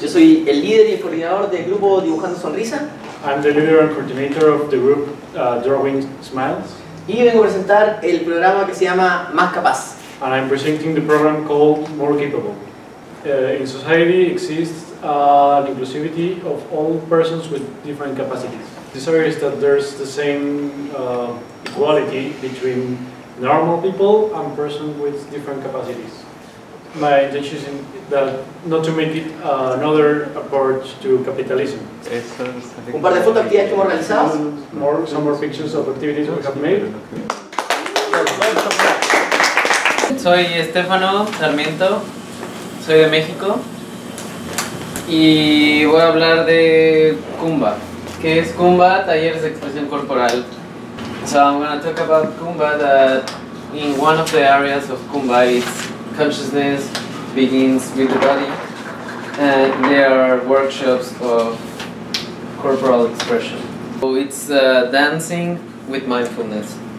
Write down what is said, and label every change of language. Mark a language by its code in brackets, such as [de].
[es] Yo soy el líder y el coordinador del grupo Dibujando Sonrisa. [en] I'm the leader and coordinator of the group Drawing Smiles. [es] Y vengo a presentar el programa que se llama Más Capaz. [en] And I'm presenting the program called More Capable. In society exists an inclusivity of all persons with different capacities. This area is that there's the same equality between normal people and persons with different capacities. My intention is that not to make it another approach to capitalism. [es] Un par de fotos que hemos realizado. [en] Some more pictures of activities we have made. [es] Soy Estefano Sarmiento, soy de México y voy a hablar de Kumba. ¿Qué es Kumba? Talleres de expresión corporal. [en] So I'm going to talk about Kumba, that in one of the areas of Kumba is consciousness begins with the body, and there are workshops of corporal expression. So it's dancing with mindfulness.